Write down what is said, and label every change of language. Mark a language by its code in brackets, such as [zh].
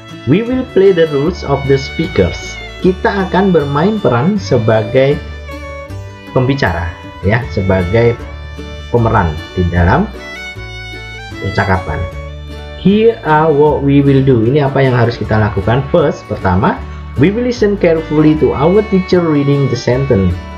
[en] We will play the roles of the speakers. [id] Kita akan bermain peran sebagai pembicara, ya, sebagai pemeran di dalam percakapan. [en] Here are what we will do. [id] Ini apa yang harus kita lakukan? [en] First, [id] pertama, [en] we will listen carefully to our teacher reading the statement.